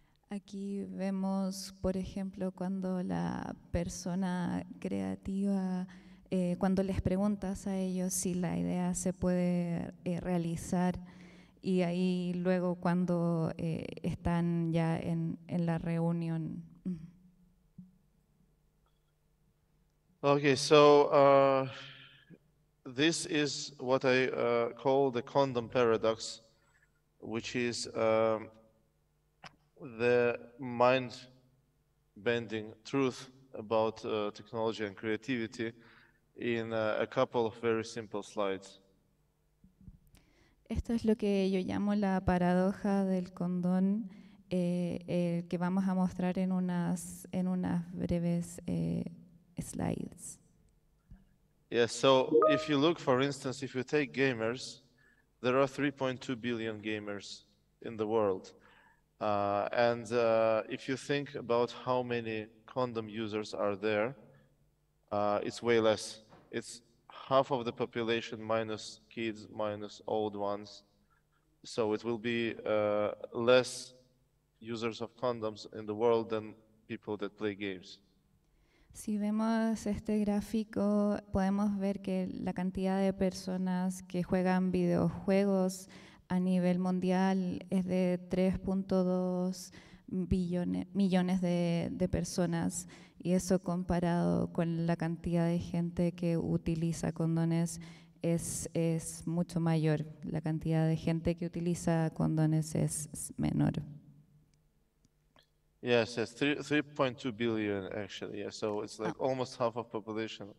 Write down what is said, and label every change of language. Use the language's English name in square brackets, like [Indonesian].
[Spanish] Aquí vemos, por ejemplo, cuando la persona creativa, cuando les preguntas a ellos si la idea se puede realizar. Y ahí luego cuando están ya en la reunión. [English] Okay, so this is what I call the condom paradox, which is the mind-bending truth about technology and creativity in a couple of very simple slides. [Spanish] Esto es lo que yo llamo la paradoja del condón, el que vamos a mostrar en unas breves slides. [English] Yes, so if you look, for instance, if you take gamers, there are 3.2 billion gamers in the world. And if you think about how many condom users are there, it's way less. It's half of the population minus kids, minus old ones. So it will be less users of condoms in the world than people that play games. [Spanish] Si vemos este gráfico, podemos ver que la cantidad de personas que juegan videojuegos a nivel mundial es de 3.2 millones de personas. Y eso comparado con la cantidad de gente que utiliza condones es mucho mayor. La cantidad de gente que utiliza condones es menor. [English] Yes, it's 3.2 billion actually. Yeah, so it's like almost half of population.